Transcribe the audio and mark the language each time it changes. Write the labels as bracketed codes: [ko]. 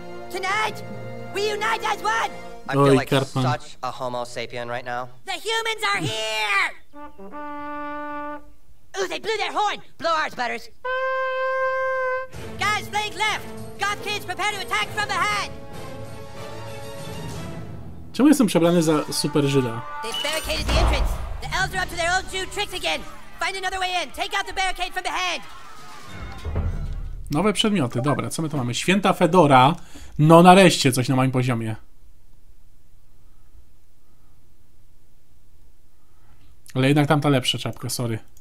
[en] Tonight, we unite as one! I feel like Cartman. Such a homo sapien right now. The humans are here! Ooh, they blew their horn! Blow ours, Butters! Guys, flank left! Goth kids, prepare to attack from behind! [pl] Czemu jestem przebrany za super Żyda? [en] They've barricaded the entrance! The elves are up to their old Jew tricks again! Find another way in! Take out the barricade from behind! [pl] Nowe przedmioty, dobra, co my tu mamy? Święta Fedora! No nareszcie, coś na moim poziomie! Ale jednak tamta lepsza czapka, sorry.